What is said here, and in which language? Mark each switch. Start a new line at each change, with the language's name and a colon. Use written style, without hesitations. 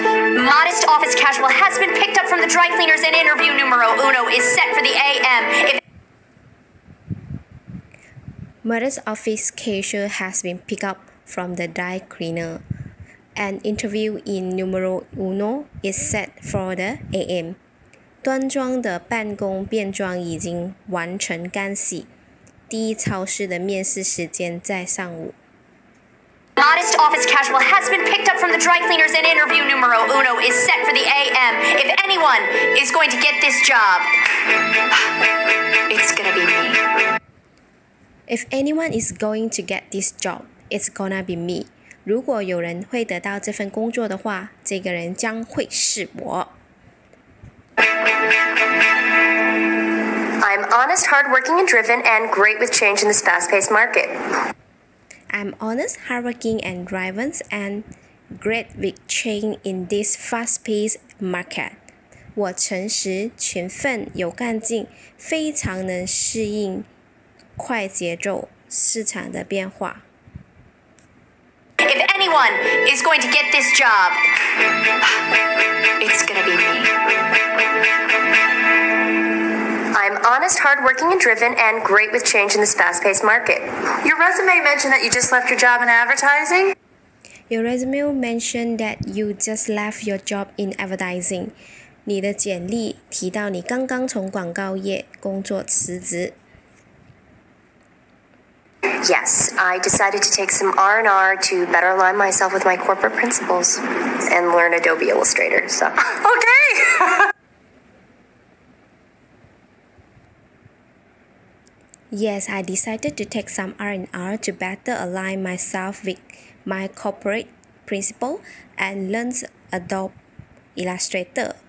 English: Modest office casual has been picked up from the dry cleaners and interview numero uno is set for the AM. Modest office casual has been picked up from the dry cleaner and interview in numero uno is set for the AM.
Chinese: 端庄的办公便装已经完成干洗，第一超市的面试时间在上午。
English: Modest office casual has been picked up from the dry cleaners and interview numero uno is set for the AM. If anyone is going to get this job, it's gonna be me. If anyone is going to get this job, it's gonna be me.
Chinese: 如果有人会得到这份工作的话，这个人将会是我。
English: I'm honest, hardworking, and driven, and great with change in this fast-paced market. I'm honest, hardworking, and driven, and great with change in this fast-paced market.
Chinese: 我诚实、勤奋、有干劲，非常能适应快节奏市场的变化。
English: If anyone is going to get this job, it's gonna be me. I'm honest, hardworking, and driven, and great with change in this fast-paced market. Your resume mentioned that you just left your job in advertising.
Chinese: 你的简历提到你刚刚从广告业工作辞职。
English: Yes, I decided to take some R&R to better align myself with my corporate principles and learn Adobe Illustrator. So. Okay. Yes, I decided to take some R&R to better align myself with my corporate principle and learn Adobe Illustrator.